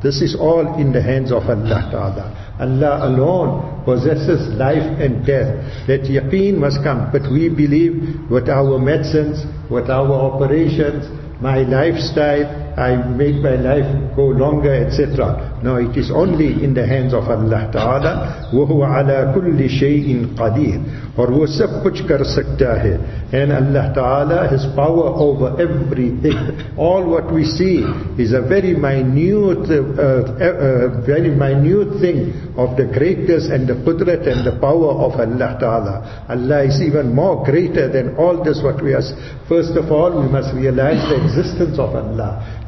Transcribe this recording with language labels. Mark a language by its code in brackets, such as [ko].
[en] This is all in the hands of Allah Ta'ala. Allah alone possesses life and death. That yaqeen must come. But we believe with our medicines, with our operations, my lifestyle, I make my life go longer, etc. No, it is only in the hands of Allah Ta'ala. [ar] وَهُوَ عَلَىٰ كُلِّ شَيْءٍ قَدِيرٍ [ur] اور وہ سب کچھ کر سکتا ہے. [en] And Allah Ta'ala has power over everything. All what we see is a very minute thing of the greatness and the qudrat and the power of Allah Ta'ala. Allah is even more greater than all this what we are. First of all, we must realize the existence of Allah.